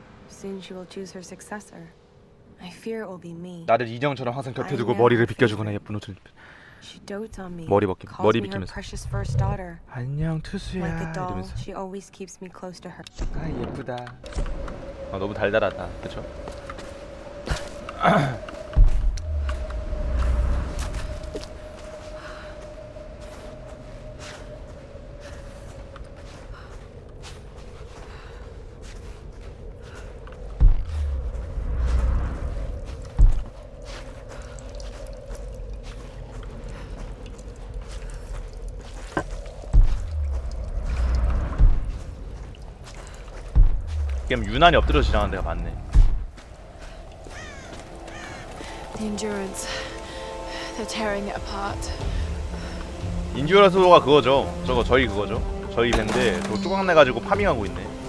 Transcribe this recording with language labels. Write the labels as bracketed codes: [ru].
[en] Soon she will choose her successor. I fear it will be me. [ko] 나를 인형처럼 항상 곁에 두고 머리를 빗겨주거나 예쁜 옷을 입혀. [en] She dotes on me. [ko] 머리 벗기. 머리 빗기면서. [en] Precious first daughter. [ko] 안녕 투수야. [en] Like a doll, [ko] 이러면서. [en] She always keeps me close to her. [ko] 아 예쁘다. 아 너무 달달하다. 그렇죠? 그럼 유난히 엎드려 지나가는 데가 많네. [en] Endurance, they're tearing it apart. [ko] 인듀런스가 그거죠. 저거 저희 그거죠. 저희 밴데 또 조각내 가지고 파밍하고 있네.